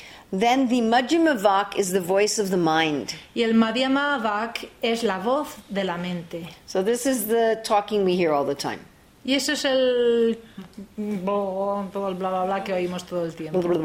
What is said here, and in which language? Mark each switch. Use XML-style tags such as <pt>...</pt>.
<en>Then the majjhima vak is the voice of the mind.</en> <es>Y el madhyama vak es la voz de la mente.</es> <en>So this is the talking we hear all the time.</en> <es>Y eso es el todo el bla bla bla que oímos todo el tiempo.</es>